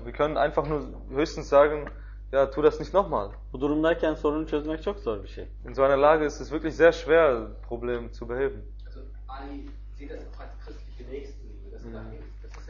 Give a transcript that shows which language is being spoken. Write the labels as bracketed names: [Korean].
[German] Wir können einfach nur höchstens sagen, ja, tu das nicht nochmal. [Turkish] Bu durumdayken sorunu çözmek çok zor bir şey. [German] In so einer Lage ist es wirklich sehr schwer, Problem zu beheben. Also Ali sieht das auch als christliche Nächstenliebe, das ist